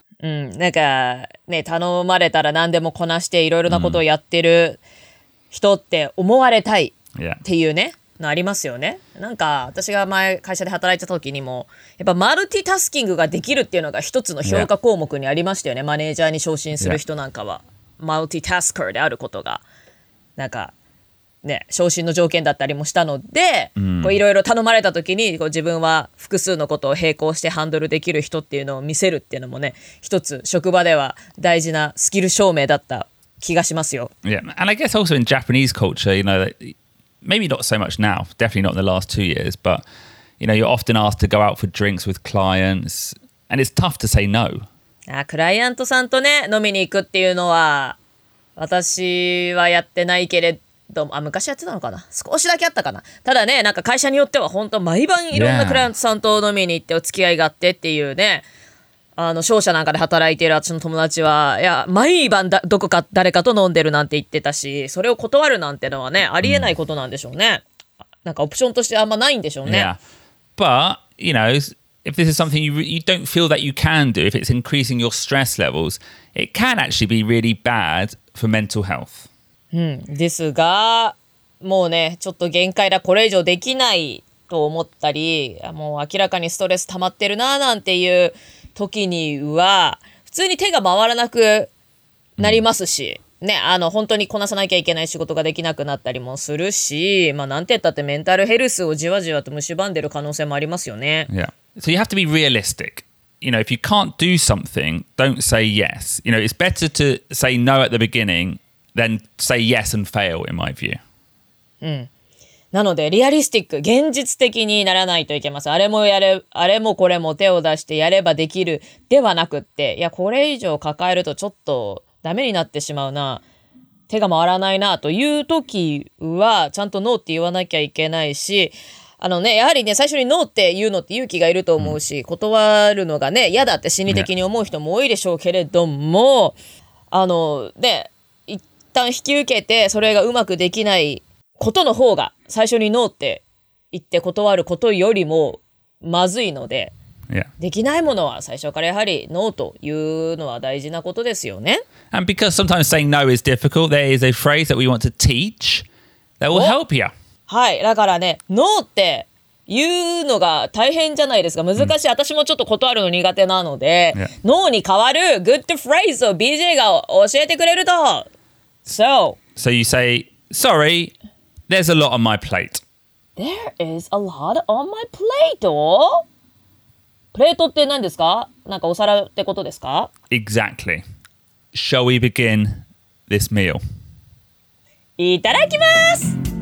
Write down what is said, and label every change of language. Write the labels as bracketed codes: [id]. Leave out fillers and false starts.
[ja] うん、なんか、ね、頼まれたら何でもこなしていろいろなことをやってる人って思われたいっていうね、のありますよね。なんか、私が前会社で働いた時にも、やっぱマルティタスキングができるっていうのが一つの評価項目にありましたよね。マネージャーに昇進する人なんかは、マルティタスカーであることが、なんか、ね、昇進の条件だったりもしたので、いろいろ頼まれた時に、こう自分は複数のことを並行してハンドルできる人っていうのを見せるっていうのもね、一つ職場では大事なスキル証明だった気がしますよ。 [en] Yeah, and I guess also in Japanese culture, you know, maybe not so much now, definitely not in the last 2 years, but... You know, you're often asked to go out for drinks with clients, and it's tough to say no. [ja] Ah, クライアントさんとね、飲みに行くっていうのは、私はやってないけれども、あ、昔やってたのかな、少しだけあったかな。ただね、なんか会社によっては本当毎晩いろんなクライアントさんと飲みに行ってお付き合いがあってっていうね、あの商社なんかで働いている私の友達は、いや毎晩だどこか誰かと飲んでるなんて言ってたし、それを断るなんてのはね、ありえないことなんでしょうね。なんかオプションとしてあんまないんでしょうね。 [en] Yeah. But, you know, if this is something you don't feel that you can do, if it's increasing your stress levels, it can actually be really bad for mental health. [ja] ですが、もうね、ちょっと限界だ、これ以上できないと思ったり、もう明らかにストレス溜まってるななんていう時には、普通に手が回らなくなりますし、ね、あの本当にこなさなきゃいけない仕事ができなくなったりもするし、まあなんて言ったってメンタルヘルスをじわじわと蝕んでる可能性もありますよね。 [en] Yeah. So you have to be realistic. You know, if you can't do something, don't say yes. You know, it's better to say no at the beginning than say yes and fail, in my view. うん。 [ja] なので、リアリスティック、現実的にならないといけます。あれもやれ、あれもこれも手を出してやればできるではなくって、いや、これ以上抱えるとちょっとダメになってしまうな、手が回らないなという時は、ちゃんとノーって言わなきゃいけないし、あのね、やはりね、最初にノーって言うのって勇気がいると思うし、うん、断るのがね、嫌だって心理的に思う人も多いでしょうけれども、あのね、一旦引き受けて、それがうまくできないことの方が、最初にノーって言って断ることよりもまずいので、 [en] yeah. [ja] できないものは最初からやはりノーというのは大事なことですよね。 [en] And because sometimes saying no is difficult, there is a phrase that we want to teach that will help you. [ja] はい、だからね、ノーって言うのが大変じゃないですか。難しい。私もちょっと断るの苦手なので、 [en] yeah. [ja] ノーに代わるグッドフレーズを BJ が教えてくれると。 [en] So you say, sorry,There's a lot on my plate. There is a lot on my plate? [ja] プレートって何ですか？なんかお皿ってことですか？ [en] Exactly. Shall we begin this meal? [ja] いただきます！